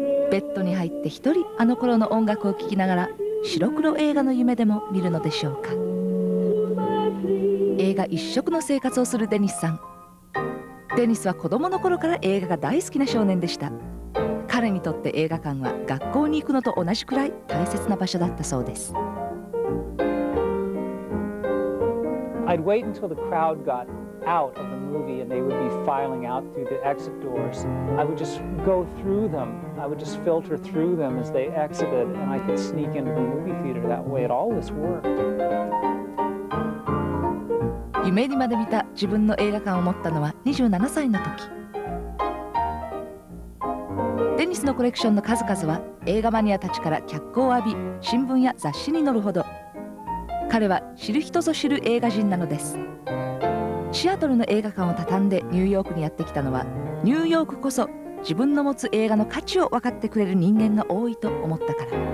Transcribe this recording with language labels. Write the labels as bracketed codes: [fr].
[ja] ベッドに入って一人あの頃の音楽を聴きながら白黒映画の夢でも見るのでしょうか。映画一色の生活をするデニスさん。デニスは子供の頃から映画が大好きな少年でした。彼にとって映画館は学校に行くのと同じくらい大切な場所だったそうです。 [en] I'd wait until the crowd got out of the movie and they would be filing out through the exit doors. I would just go through them. I would just filter through them as they exited and I could sneak into the movie theater. That way it always worked. [ja] 夢にまで見た自分の映画館を持ったのは27歳の時。デニスのコレクションの数々は映画マニアたちから脚光を浴び、新聞や雑誌に載るほど。彼は知る人ぞ知る映画人なのです。シアトルの映画館を畳んでニューヨークにやってきたのは、ニューヨークこそ自分の持つ映画の価値を分かってくれる人間が多いと思ったから。